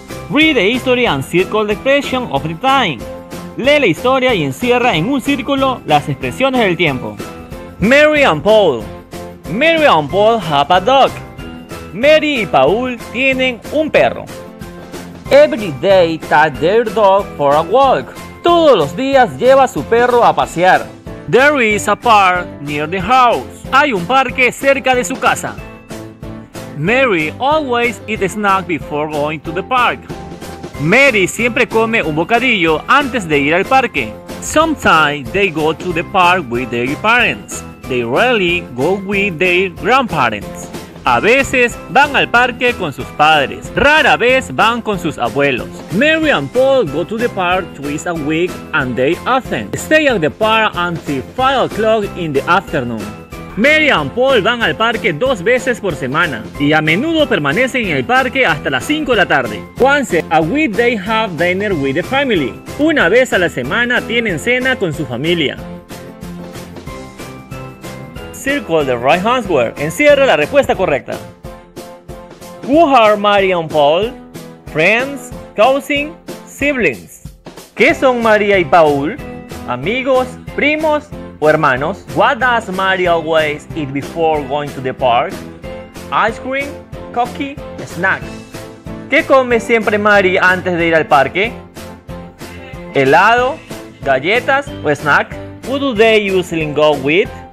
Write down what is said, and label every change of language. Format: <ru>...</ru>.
<en>Read the history and circle the expression of the time.</en> <es>Lee la historia y encierra en un círculo las expresiones del tiempo.</es> <en>Mary and Paul. Mary and Paul have a dog.</en> <es>Mary y Paul tienen un perro.</es> <en>Every day take their dog for a walk.</en> <es>Todos los días lleva a su perro a pasear.</es> <en>There is a park near the house.</en> <es>Hay un parque cerca de su casa.</es> <en>Mary always eat a snack before going to the park.</en> <es>Mary siempre come un bocadillo antes de ir al parque.</es> <en>Sometimes they go to the park with their parents. They rarely go with their grandparents.</en> <es>A veces van al parque con sus padres. Rara vez van con sus abuelos.</es> <en>Mary and Paul go to the park twice a week and they often stay at the park until 5 o'clock in the afternoon.</en> <es>Mary and Paul van al parque dos veces por semana y a menudo permanecen en el parque hasta las 5 de la tarde.</es> <en>Once a week they have dinner with the family.</en> <es>Una vez a la semana tienen cena con su familia.</es> <en>Circle the right answer.</en> <es>Encierra la respuesta correcta.</es> <en>Who are Mary and Paul? Friends, cousins, siblings.</en> <es>¿Qué son María y Paul? Amigos, primos o hermanos.</es> <en>What does Mary always eat before going to the park? Ice cream, cookie, snack.</en> <es>¿Qué come siempre Mary antes de ir al parque? Helado, galletas o snack.</es> <en>Who do they usually go with?</en>